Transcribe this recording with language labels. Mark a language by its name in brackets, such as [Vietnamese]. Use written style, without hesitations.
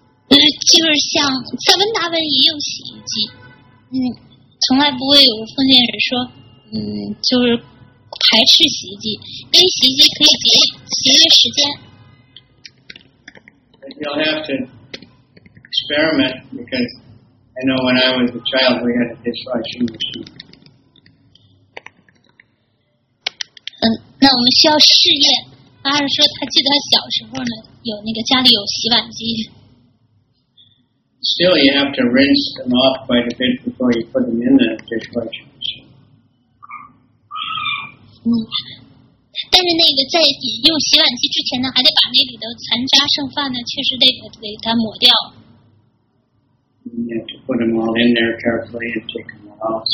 [Chinese] 就是像在文达文也有洗衣机，从来不会有奉献人说，就是排斥洗衣机，因为洗衣机可以节约时间。 [English] You'll have to experiment because I know when I was a child we had a dishwashing machine. [Chinese] 那我们需要试验。阿尔说他记得小时候呢，有那个家里有洗碗机。 [English] Still, you have to rinse them off quite a bit before you put them in the dishwasher. [Chinese] 但是那个在用洗碗机之前呢，还得把那里的残渣剩饭呢，确实得它抹掉。 [English] You have to put them all in there carefully and take them out.